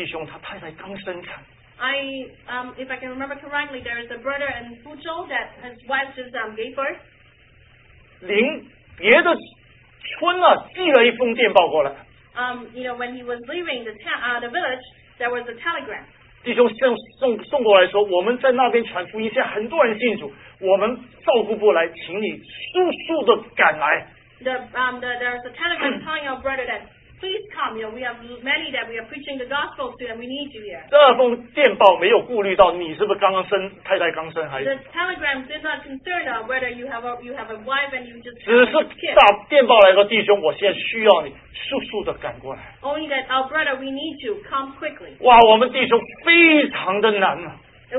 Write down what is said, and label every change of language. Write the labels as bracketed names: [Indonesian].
[Chinese] 在福州，我猜是福州啊，曾经有一个弟兄，他太太刚生产。 [English] I if I can remember correctly, there is a brother in Fuzhou that his wife just gave birth. [Chinese] 邻别的村啊，寄了一封电报过来。 [English] You know, when he was leaving the town, the village, there was a telegram. [Chinese] 弟兄送过来说，我们在那边传福音，现在很多人信主，我们照顾不来，请你速速的赶来。 [English] The there's a telegram telling your brother that please come. You know, we have many that we are preaching the gospel to, and we need you here. [Chinese] 这封电报没有顾虑到你是不是刚刚生太太刚生孩子。 [English] The telegram did not concern whether you have a wife and you just. [Chinese] 只是打电报来说，弟兄，我现在需要你。速速的赶过来。 [English] Only that our brother, we need you. Come quickly. [Chinese] 哇，我们弟兄非常的难啊。 [English] It